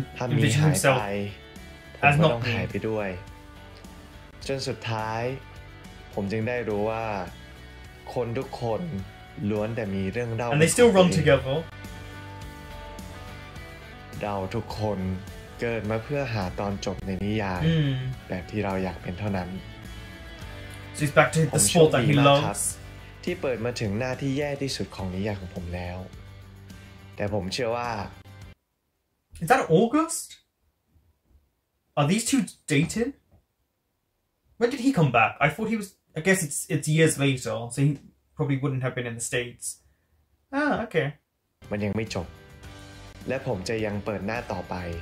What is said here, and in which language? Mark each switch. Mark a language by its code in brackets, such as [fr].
[th] ทำมีหายไปผมก็ต้องหายไปด้วยจนสุดท้ายผมจึงได้รู้ว่าคนทุกคนล้วนแต่มีเรื่องเล่า [en] And they still run together [th] เราทุกคนเกิดมาเพื่อหาตอนจบในนิยายแบบที่เราอยากเป็นเท่านั้น [en] So it's back to the sport that he loves [th] ที่เปิดมาถึงหน้าที่แย่ที่สุดของนิยายของผมแล้วแต่ผมเชื่อว่า [en] Is that August? Are these two dating? When did he come back? I thought he was... I guess it's years later, so he probably wouldn't have been in the States. Ah, okay. [th] มันยังไม่จบและผมจะยังเปิดหน้าต่อไป